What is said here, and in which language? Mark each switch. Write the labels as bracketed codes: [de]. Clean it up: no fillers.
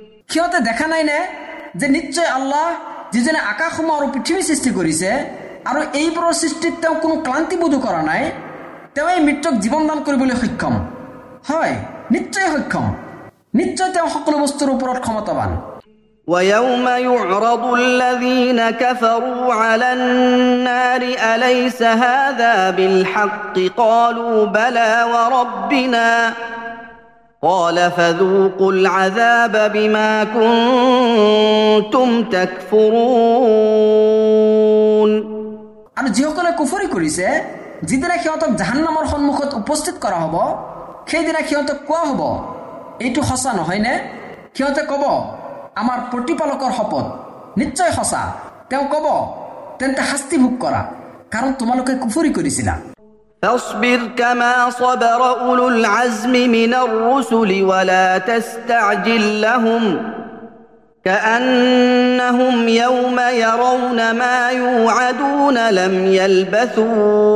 [as] কিয়তে দেখা নাই নে যে নিশ্চয় আল্লাহ যিজনে আকাশসমূহ আৰু পৃথিৱী সৃষ্টি কৰিছে আৰু এইবোৰৰ সৃষ্টিত তেওঁ কোনো ক্লান্তিবোধ কৰা নাই, তেওঁ এই মৃত্যুক জীৱন দান কৰিবলৈ সক্ষম, হয় নিশ্চয় সক্ষম, নিশ্চয় তেওঁ সকলো বস্তুৰ ওপৰত ক্ষমতাবান। [ar] ويوم يعرض الذين كفروا على النار أليس هذا بالحق قالوا بلى وربنا قال فذوقوا العذاب بما كنتم تكفرون. [as] আৰু যিসকলে কুফৰি কৰিছে, যিদিনা সিহঁতক জাহান্নামৰ সন্মুখত উপস্থিত কৰা হ'ব সেইদিনা সিহঁতক কোৱা হ'ব, এইটো সঁচা নহয়নে? সিহঁতে ক'ব, আমাৰ প্ৰতিপালকৰ শপত, নিশ্চয় সঁচা। তেওঁ ক'ব, তেন্তে শাস্তি ভোগ কৰা, কাৰণ তোমালোকে কুফৰি কৰিছিলা। [ar] فاصبر كما صبر أولو العزم من الرسل ولا تستعجل لهم كأنهم يوم يرون ما يوعدون لم يلبثوا